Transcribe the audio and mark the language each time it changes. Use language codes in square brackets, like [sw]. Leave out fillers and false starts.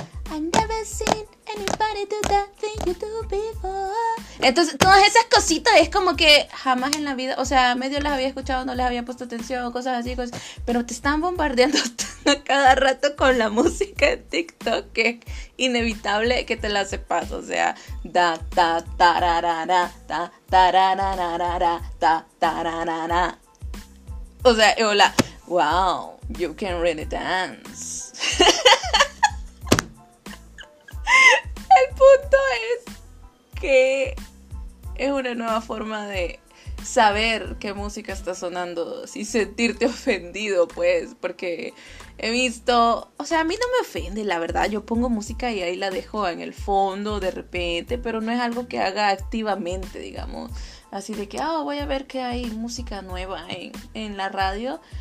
[en] I've never seen anybody do that thing you do before. [es] Entonces, todas esas cositas es como que jamás en la vida, o sea, medio las había escuchado, no les había puesto atención, cosas así, cosas, pero te están bombardeando cada rato con la música de TikTok, que es inevitable que te la sepas, o sea, da, ta, tararara, ta, tararara, ta, tararara. O sea, hola, [en] wow, you can really dance. [es] Que es una nueva forma de saber qué música está sonando sin sentirte ofendido, pues, porque he visto, o sea, a mí no me ofende, la verdad, yo pongo música y ahí la dejo en el fondo de repente, pero no es algo que haga activamente, digamos, así de que, oh, voy a ver que hay música nueva en la radio.